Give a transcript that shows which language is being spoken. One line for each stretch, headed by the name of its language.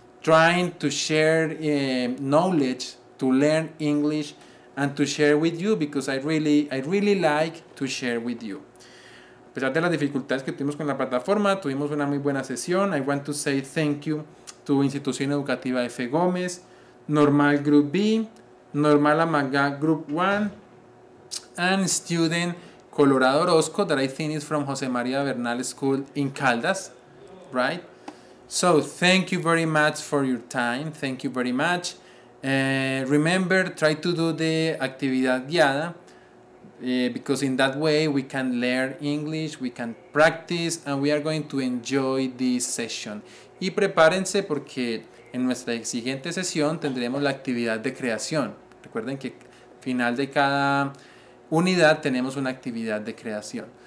English: Trying to share knowledge, to learn English, and to share with you, because I really like to share with you.
Spanish: A pesar de las dificultades que tuvimos con la plataforma, tuvimos una muy buena sesión.
English: I want to say thank you to Institución Educativa F. Gómez, Normal Group B, Normal Amagá Group 1, and Student Colorado Orozco, that I think is from José María Bernal School in Caldas, right? So, thank you very much for your time. Thank you very much. Remember, try to do the
Spanish: actividad guiada.
English: Because in that way we can learn English, we can practice, and we are going to enjoy this session.
Spanish: Y prepárense porque en nuestra siguiente sesión tendremos la actividad de creación. Recuerden que final de cada unidad tenemos una actividad de creación.